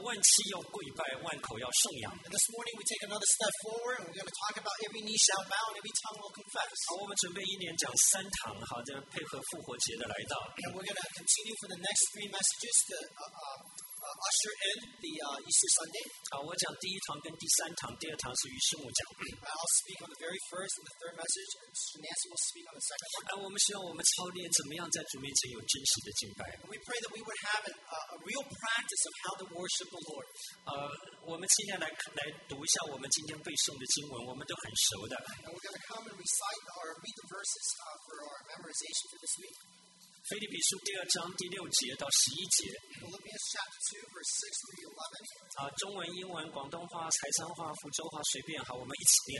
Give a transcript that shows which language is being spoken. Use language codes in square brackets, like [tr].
[zh] 今天早上我们继续往前去，我的主题讲到万膝要跪拜，万口要颂扬。 [en] And this morning we take another step forward and we're going to talk about every knee shall bow and every tongue will confess. [zh] 好，我们准备一年讲三堂，好的，配合复活节的来到。 [en] And we're going to continue for the next three messages to usher in the Easter Sunday. [zh] 好，我讲第一堂跟第三堂，第二堂是于师母讲。 [en] I'll speak on the very first and the third message, and Nancy will speak on the second one. [zh] 我们希望我们操练怎么样在主面前有真实的敬拜。 [en] We pray that we would have a real practice of how to worship the Lord. [zh] 我们今天来读一下我们今天背诵的经文，我们都很熟的。 [en] And we're going to come and recite or read the verses for our memorization for this week. [zh] 腓立比书第二章第六节到十一节。 [en] Philippians chapter 2, verse 6 through 11. [zh] 中文、英文、广东话、台山话、福州话随便，好，我们一起念。